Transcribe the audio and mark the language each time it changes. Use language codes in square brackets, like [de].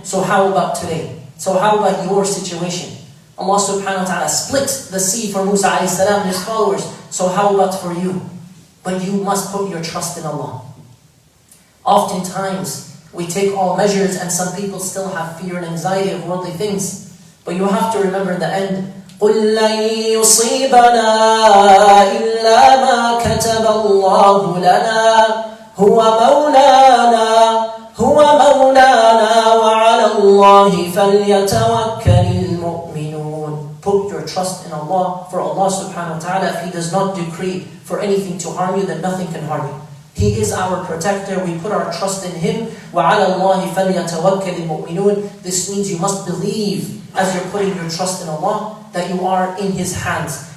[en] So how about today? So how about your situation? Allah subhanahu wa ta'ala split the sea for Musa alayhi salam and his followers. So how about for you? But you must put your trust in Allah. Oftentimes, we take all measures and some people still have fear and anxiety of worldly things. But you have to remember in the end, [ar] قُلْ لَنْ يُصِيبَنَا إِلَّا مَا كَتَبَ اللَّهُ لَنَا هُوَ مَوْلَانَا هُوَ مَوْلَانَا وَعَلَى اللَّهِ فَلْيَتَوَكَّلِ الْمُؤْمِنُونَ. [en] Put your trust in Allah, for Allah subhanahu wa ta'ala, if He does not decree for anything to harm you, then nothing can harm you. He is our protector. We put our trust in Him. [ar] وَعَلَى اللَّهِ فَلْيَتَوَكَّلِ الْمُؤْمِنُونَ. [en] This means you must believe, as you're putting your trust in Allah, that you are in His hands.